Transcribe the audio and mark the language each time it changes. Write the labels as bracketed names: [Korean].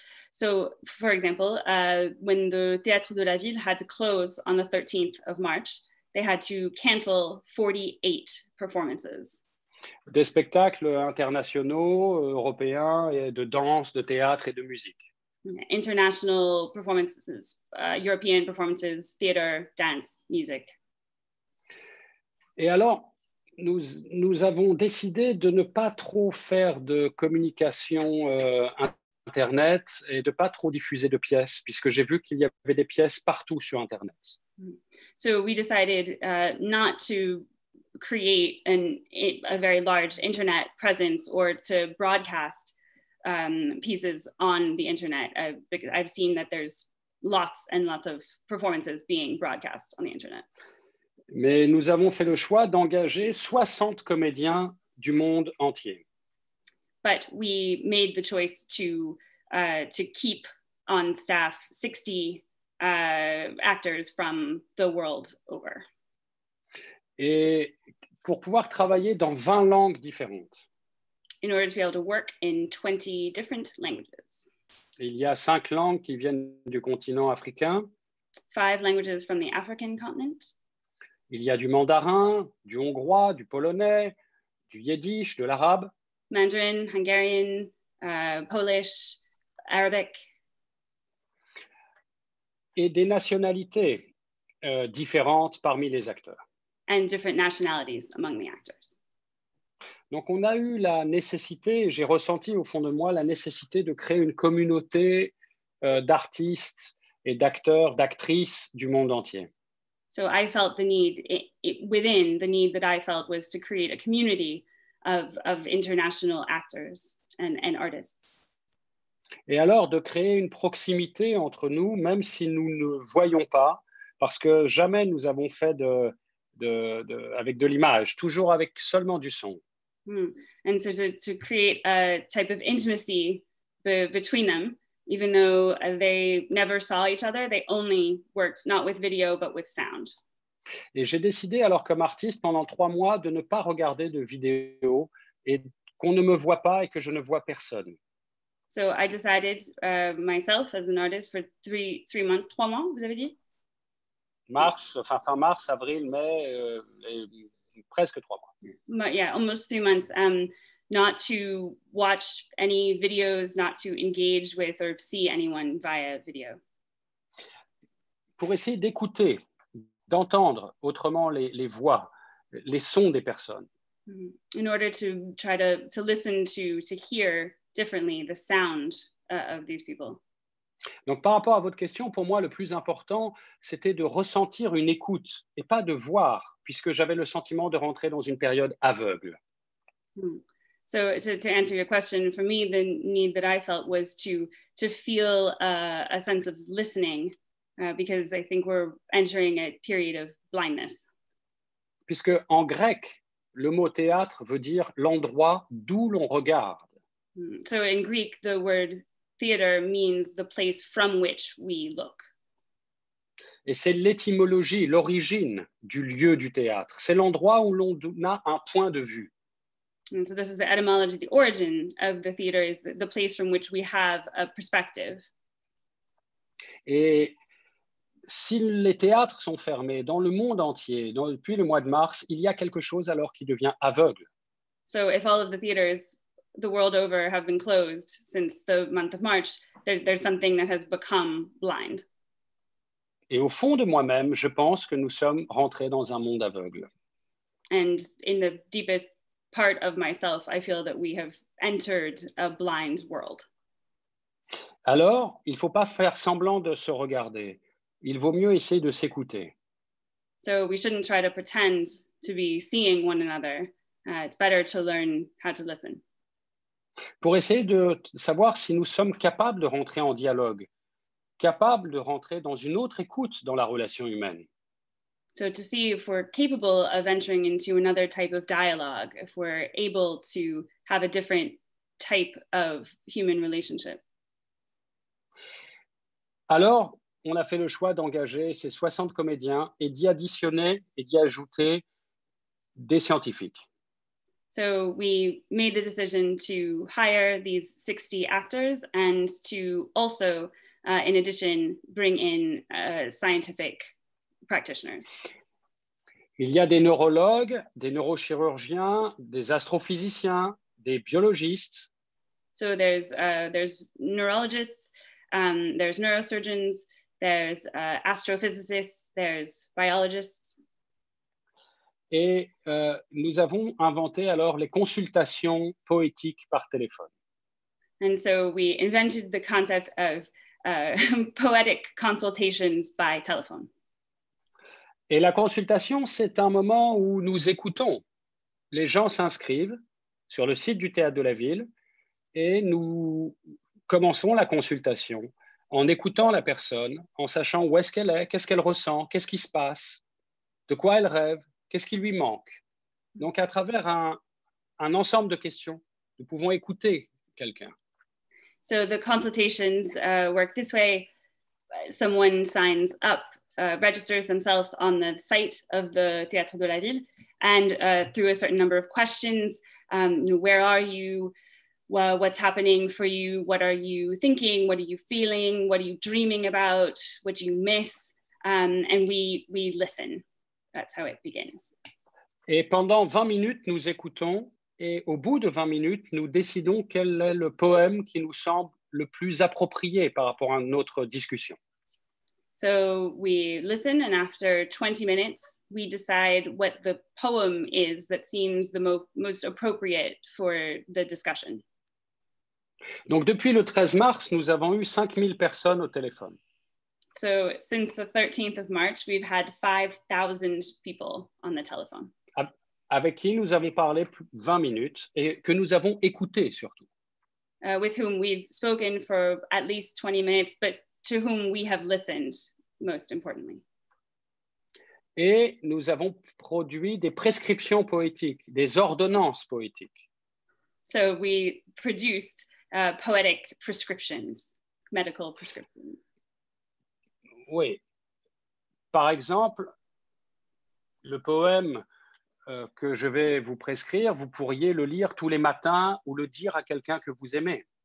[English] So, for example, when the Théâtre de la Ville had to close on the 13th of March, they had to cancel 48 performances. [French] Des spectacles internationaux, européens, et de danse, de théâtre et de musique. [English] International performances, European performances, theater, dance, music. [French] Et alors, nous avons décidé de ne pas trop faire de communication Internet et de pas trop diffuser de pièces, puisque j'ai vu qu'il y avait des pièces partout sur Internet. [English] So we decided not to create a very large Internet presence or to broadcast pieces on the Internet. Because I've seen that there's lots and lots of performances being broadcast on the Internet. [French] Mais nous avons fait le choix d'engager 60 comédiens du monde entier. [English] But we made the choice to keep on staff 60 actors from the world over. [French] Et pour pouvoir travailler dans 20 langues différentes. [English] In order to be able to work in 20 different languages. [French] Il y a 5 langues qui viennent du continent africain. [English] 5 languages from the African continent. [French] Il y a du mandarin, du hongrois, du polonais, du yiddish, de l'arabe. [English] Mandarin, Hungarian, Polish, Arabic. [French] Et des nationalités différentes parmi les acteurs. [English] And different nationalities among the actors. [French] Donc on a eu la nécessité, j'ai ressenti au fond de moi, la nécessité de créer une communauté d'artistes et d'acteurs, d'actrices du monde entier. [English] So I felt the need was to create a community of international actors and artists. [French] Et alors de créer une proximité entre nous, même si nous ne voyons pas, parce que jamais nous avons fait de avec de l'image, toujours avec seulement du son. [English] And so to create a type of intimacy between them, even though they never saw each other, they only worked not with video but with sound. [French] Et j'ai décidé alors comme artiste pendant 3 mois de ne pas regarder de vidéo et qu'on ne me voit pas et que je ne vois personne. [English] So I decided myself as an artist for three months, [French] vous avez dit? Mars, fin mars, avril, mai, presque 3 mois. [English] Almost 3 months. Not to watch any videos, not to engage with or see anyone via video. [French] Pour essayer d'écouter, d'entendre autrement les voix, les sons des personnes. [English] In order to try to listen to hear differently the sound of these people. [French] Donc par rapport à votre question, pour moi le plus important c'était de ressentir une écoute et pas de voir, puisque j'avais le sentiment de rentrer dans une période aveugle. [English] So to answer your question, for me, the need that I felt was to feel a sense of listening, because I think we're entering a period of blindness. [French] Puisque en grec, le mot théâtre veut dire l'endroit d'où l'on regarde. [English] So in Greek, the word theater means the place from which we look. [French] Et c'est l'étymologie, l'origine du lieu du théâtre. C'est l'endroit où l'on a un point de vue. [English] And so this is the etymology, the origin of the theater is the place from which we have a perspective. [French] Et si les théâtres sont fermés dans le monde entier, depuis le mois de mars, il y a quelque chose alors qui devient aveugle. [English] So if all of the theaters the world over have been closed since the month of March, there's something that has become blind. [French] Et au fond de moi-même, je pense que nous sommes rentrés dans un monde aveugle. [English] And in the deepest part of myself, I feel that we have entered a blind world. [French] Alors, il faut pas faire semblant de se regarder. Il vaut mieux essayer de s'écouter. [English] So we shouldn't try to pretend to be seeing one another. It's better to learn how to listen. [French] Pour essayer de savoir si nous sommes capables de rentrer en dialogue, capables de rentrer dans une autre écoute dans la relation humaine. [English] So to see if we're capable of entering into another type of dialogue, if we're able to have a different type of human relationship. [French] Alors, on a fait le choix d'engager ces 60 comédiens et d'y additionner et d'y ajouter des scientifiques. [English] So we made the decision to hire these 60 actors and to also, in addition, bring in scientific practitioners. [French] Il y a des neurologues, des neurochirurgiens, des astrophysiciens, des biologistes. [English] So there's neurologists, there's neurosurgeons, there's astrophysicists, there's biologists. [French] Et nous avons inventé alors les consultations poétiques par téléphone. [English] And so we invented the concept of poetic consultations by telephone. [French] Et la consultation, c'est un moment où nous écoutons. Les gens s'inscrivent sur le site du théâtre de la ville et nous commençons la consultation en écoutant la personne, en sachant où est-ce qu'elle est, qu'est-ce qu'elle ressent, qu'est-ce qui se passe, de quoi elle rêve. Qu'est-ce qui lui manque? Donc, à travers un ensemble de questions, nous pouvons écouter quelqu'un. [English] So the consultations work this way. Someone signs up, registers themselves on the site of the Théâtre de la Ville, and through a certain number of questions, where are you? Well, what's happening for you? What are you thinking? What are you feeling? What are you dreaming about? What do you miss? And we listen. That's how it begins. [French] Et pendant 20 minutes, nous écoutons et au bout de 20 minutes, nous décidons quel est le poème qui nous semble le plus approprié par rapport à notre discussion. [English] So we listen and after 20 minutes, we decide what the poem is that seems the most appropriate for the discussion. [French] Donc depuis le 13 mars, nous avons eu 5000 personnes au téléphone. [English] So since the 13th of March, we've had 5,000 people on the telephone. [French] Avec qui nous avons parlé 20 minutes et que nous avons écouté surtout. [English] With whom we've spoken for at least 20 minutes, but to whom we have listened, most importantly. [French] Et nous avons produit des prescriptions poétiques, des ordonnances poétiques. [English] So we produced poetic prescriptions, medical prescriptions. [French] Oui. Par exemple, le poème que je vais vous prescrire, vous pourriez le lire tous les matins ou le dire à quelqu'un que vous aimez.